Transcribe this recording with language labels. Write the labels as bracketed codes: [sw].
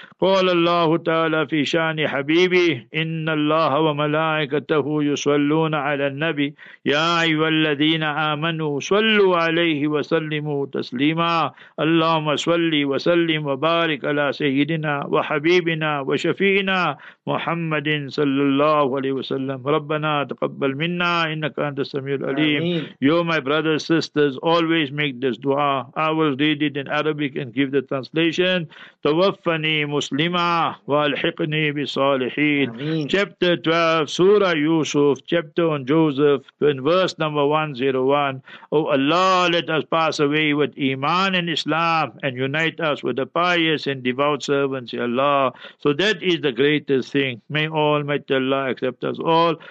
[ar] قال الله تعالى في شأن حبيبي إن الله وملائكته يصلون على النبي يا أيها الذين آمنوا صلوا عليه وسلموا تسليما اللهم صل وسلم وبارك على سيدنا وحبيبنا وشفينا محمد صلى الله عليه وسلم ربنا تقبل منا إنك أنت السميع العليم. [en] You, my brothers, sisters, always make this dua. I will read it in Arabic and give the translation. [ar] توفني مسلما والحقني بالصالحين. [en] Chapter 12, Surah Yusuf, chapter on Joseph, in verse number 101. Oh Allah, let us pass away with Iman and Islam and unite us with the pious and devout servants, Ya Allah. So that is the greatest thing. May Almighty Allah accept us all.